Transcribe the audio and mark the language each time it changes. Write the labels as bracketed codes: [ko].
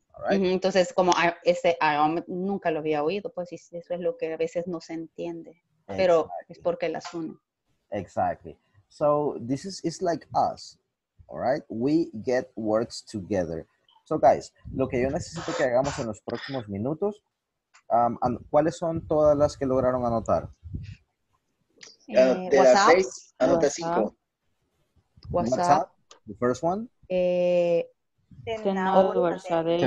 [es] Entonces, como ese I am nunca lo había oído, pues eso es lo que a veces no se entiende, pero exactly. Es porque las une. [en] Exactly. So, this is it's like us, all right? We get words together. [es] So, guys, lo que yo necesito que hagamos en los próximos minutos, ¿cuáles son todas las que lograron anotar? De las seis, anota cinco. [en] WhatsApp, the first one. 10 hours a day.